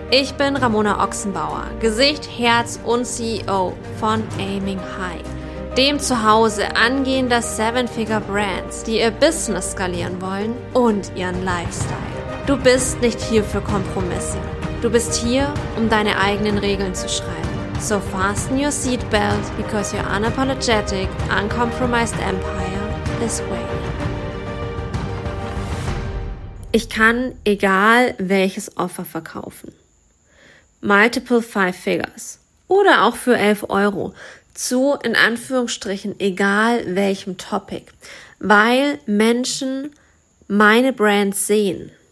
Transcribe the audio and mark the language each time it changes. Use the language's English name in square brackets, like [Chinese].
[German] Ich bin Ramona Ochsenbauer, Gesicht, Herz und CEO von Aiming High, dem Zuhause angehender 7-Figure-Brands, die ihr Business skalieren wollen und ihren Lifestyle. Du bist nicht hier für Kompromisse. Du bist hier, um deine eigenen Regeln zu schreiben. [English] So fasten your seatbelt, because your unapologetic, uncompromised empire is waiting. [German] Ich kann egal welches Offer verkaufen, multiple 5 Figures oder auch für 11 Euro zu, in Anführungsstrichen, egal welchem Topic, weil Menschen meine Brand sehen,